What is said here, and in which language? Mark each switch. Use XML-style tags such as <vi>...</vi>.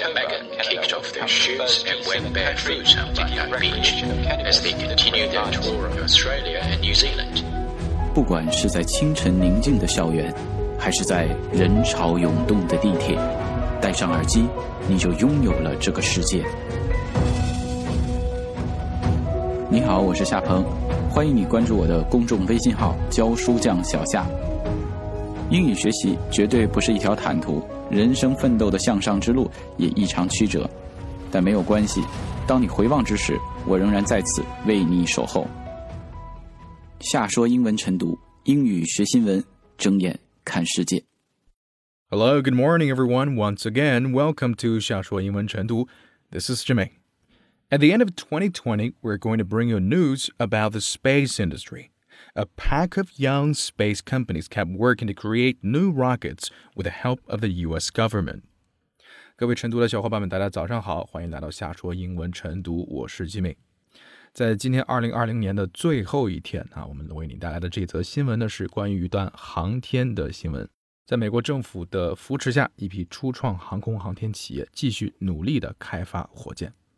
<en>and Megan kicked off their shoes and went barefoot on Bondi Beach as they continued their tour of Australia and New Zealand.</en> <zh>不管是在清晨宁静的校园，还是在人潮涌动的地铁，戴上耳机，你就拥有了这个世界。你好，我是夏鹏，欢迎你关注我的公众微信号“教书匠小夏”。英语学习绝对不是一条坦途，人生奋斗的向上之路也异常曲折，但没有关系，当你回望之时，我仍然在此为你守候。夏说英文晨读，英语学新闻，睁眼看世界。</zh> <en>Hello, good morning, everyone. Once again, welcome to 夏说英文晨读。This is Jimmy. At the end of 2020, we're going to bring you news about the space industry. A pack of young space companies kept working to create new rockets with the help of the U.S. government.</en> <zh>各位晨读的小伙伴们，大家早上好，欢迎来到夏说英文晨读，我是 Jimmy。在今天2020年的最后一天啊，我们为你带来的这则新闻呢，是关于一段航天的新闻。在美国政府的扶持下，一批初创航空航天企业继续努力地开发火箭。</zh>